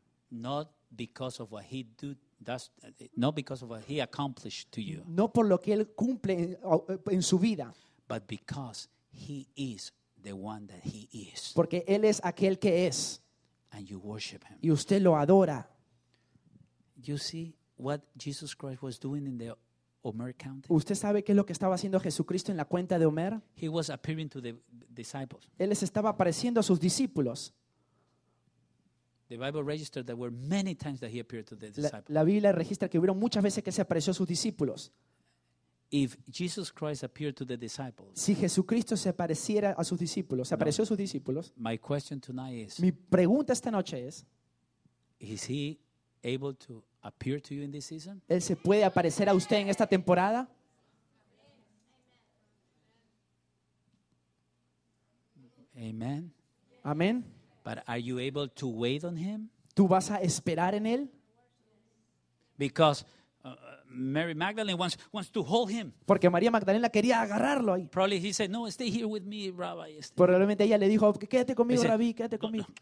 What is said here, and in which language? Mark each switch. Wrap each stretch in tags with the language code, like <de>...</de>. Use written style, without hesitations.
<en>Not because of what he accomplished to you.</en> <es>No por lo que él cumple en su vida.</es> <en>But because he is the one that he is.</en> <es>Porque él es aquel que es.</es> <en>And you worship him.</en> <es>Y usted lo adora.</es> <en>You see what Jesus Christ was doing in the Omer County?</en> <es>¿Usted sabe qué es lo que estaba haciendo Jesucristo en la cuenta de Omer?</es> <en>He was appearing to the disciples.</en> <es>Él les estaba apareciendo a sus discípulos.</es> <en>The Bible registered there were many times that he appeared to the disciples.</en> <es>La Biblia registra que hubieron muchas veces que se apareció a sus discípulos.</es> <en>If Jesus Christ appeared to the disciples,</en> <es>si Jesucristo se apareciera a sus discípulos, a sus discípulos.</es> <en>My question tonight is.</en> <es>Mi pregunta esta noche es.</es> <en>Is he able to appear to you in this season?</en> <es>¿Él se puede aparecer a usted en esta temporada?</es> <en>Amen.</en> <es>Amén.</es> <en>But are you able to wait on him?</en> <es>¿Tú vas a esperar en él?</es> <en>Because Mary Magdalene wants to hold him.</en> <es>Porque María Magdalena quería agarrarlo ahí.</es> <en>Probably he said, no, stay here with me, Rabbi.</en> <es>Probablemente ella le dijo, quédate conmigo, Rabbi, quédate conmigo.</es>